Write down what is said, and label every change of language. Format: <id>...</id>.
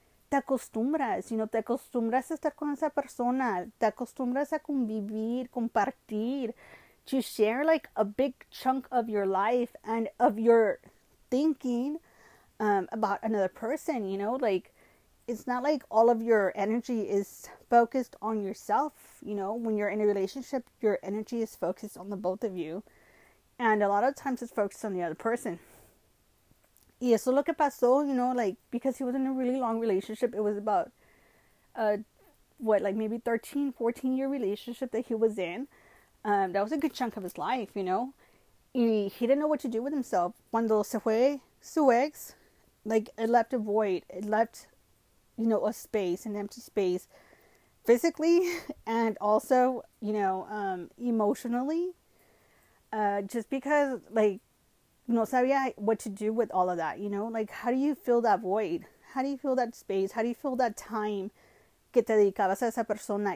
<es>Te acostumbras,</es> <en>you know,</en> <es>te acostumbras a estar con esa persona, te acostumbras a convivir, compartir,</es> <en>to share like a big chunk of your life and of your thinking about another person, you know, like it's not like all of your energy is focused on yourself, you know, when you're in a relationship, your energy is focused on the both of you, and a lot of times it's focused on the other person.</en> <es>Y eso es lo que pasó,</es> <en>you know, like, because he was in a really long relationship. It was about, what, like, maybe 13, 14-year relationship that he was in. That was a good chunk of his life, you know. Y he didn't know what to do with himself.</en> <es>Cuando se fue su ex,</es> <en>like, it left a void. It left, you know, a space, an empty space, physically and also, you know, emotionally. Just because, like,</en> <es>no sabía</es> <en>what to do with all of that, you know? Like, how do you fill that void? How do you fill that space? How do you fill that time</en> <es>que te dedicabas a esa persona?</es>